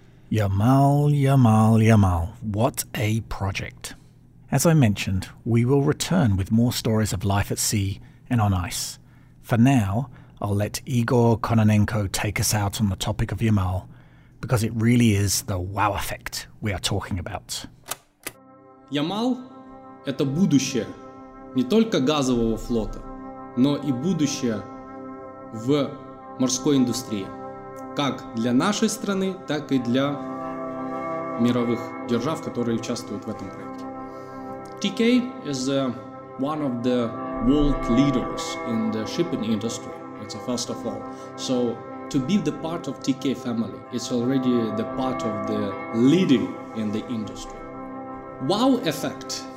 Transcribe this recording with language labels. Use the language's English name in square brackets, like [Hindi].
[English] Yamal, what a project. As I mentioned, we will return with more stories of life at sea and on ice. For now, I'll let Igor Kononenko take us out on the topic of Yamal, because it really is the wow effect we are talking about. [Russian] Yamal – это будущее не только газового флота, но и будущее в морской индустрии, как для нашей страны, так и для мировых держав, которые участвуют в этом проекте. [English] TK is one of the world leaders in the shipping industry. It's a first of all. So to be the part of TK family, it's already the part of the leading in the industry. Wow effect.